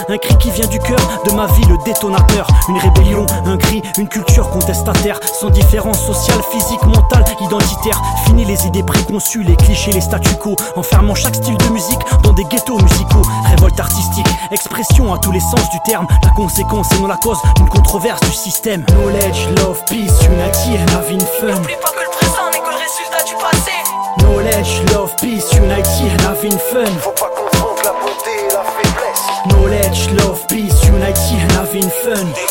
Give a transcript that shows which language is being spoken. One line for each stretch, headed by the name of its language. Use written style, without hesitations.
French: Un cri qui vient du cœur, de ma vie le détonateur. Une rébellion, un cri, une culture contestataire. Sans différence sociale, physique, mentale, identitaire. Fini les idées préconçues, les clichés, les statu quo. Enfermant chaque style de musique dans des ghettos musicaux. Révolte artistique, expression à tous les sens du terme. La conséquence et non la cause d'une controverse du système.
English: Knowledge, love, peace, unity and having fun.
French: N'oublie pas que le présent n'est que le résultat du passé.
English: Knowledge, love, peace, unity and having fun.
French: Faut pas confondre la beauté et la faiblesse.
English: Knowledge, love, peace, unity and having fun.